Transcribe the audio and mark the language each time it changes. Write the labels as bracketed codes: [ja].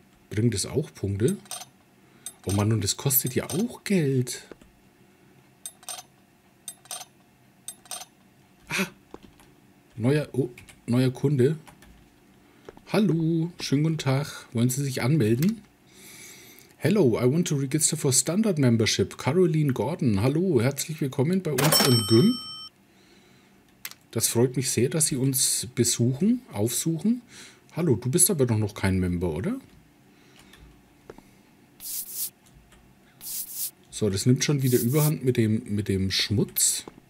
[de] Bringt es auch Punkte? Oh Mann, und das kostet ja auch Geld. Neuer Kunde. Hallo, schönen guten Tag. Wollen Sie sich anmelden? [en] Hello, I want to register for Standard Membership. Caroline Gordon. [de] Hallo, herzlich willkommen bei uns im Gym. Das freut mich sehr, dass Sie uns besuchen, aufsuchen. Hallo, du bist aber doch noch kein Member, oder? So, das nimmt schon wieder Überhand mit dem Schmutz.